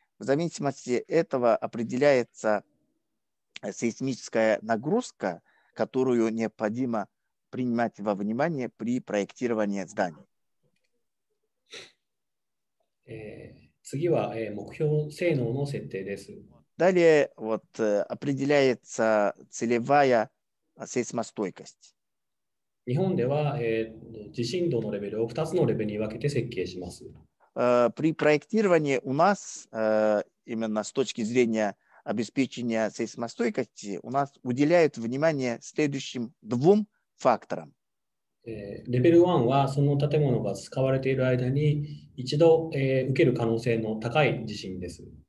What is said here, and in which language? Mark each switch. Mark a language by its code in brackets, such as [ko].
[ru] В зависимости этого определяется сейсмическая нагрузка, которую необходимо принимать во внимание при проектировании зданий. [ja] 次は目標性能の設定です。 [ru] Далее вот, определяется целевая сейсмостойкость. [ja] 日本では地震動のレベルを2つのレベルに分けて設計します。 [ru] При проектировании у нас, именно с точки зрения обеспечения сейсмостойкости, у нас уделяют внимание следующим двум факторам. [ja] レベル1はその建物が使われている間に一度、受ける可能性の高い地震です。